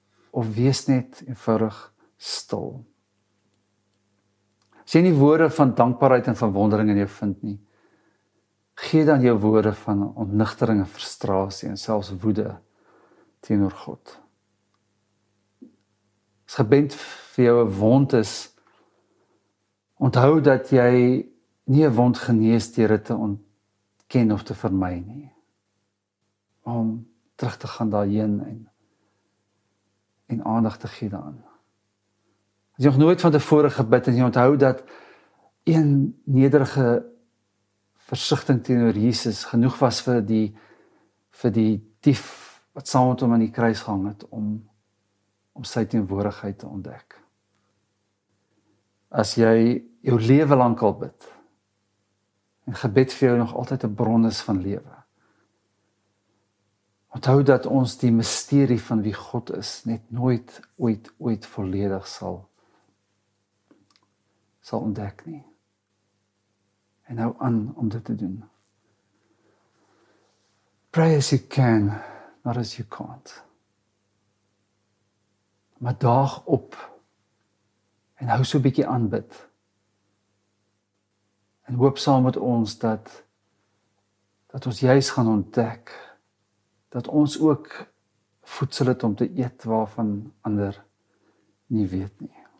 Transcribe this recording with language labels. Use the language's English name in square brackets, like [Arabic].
[Afrikaans] Of wees net eenvoudig stil. As jy nie woorde van dankbaarheid en verwondering in jou vind nie, gee dan jou woorde van ontnigtering en frustrasie en selfs woede teenoor God. As gebed vir jou 'n wond is, onthou dat jy nie 'n wond genees deur dit te ontken of te vermy nie. Om terug te gaan daarheen en aandag te gee daaraan. As jy nog nooit van tevore gebid en jy onthou dat een nederige versigtiging teenoor Jesus genoeg was vir die dief wat saam met hom aan die kruis gehang het om sy teenwoordigheid te ontdek. As jy jou lewe lank al bid en gebed vir jou nog altyd 'n bron is van lewe, onthou dat ons die misterie van wie God is net nooit ooit volledig sal ontdek nie. En hou aan om dit te doen. [English] Pray as you can, not as you can't. [Afrikaans] Maar daag op en hou so 'n bietjie aan bid. En hoop saam met ons dat ons juis gaan ontdek dat ons ook voedsel het om te eet waarvan ander nie weet nie.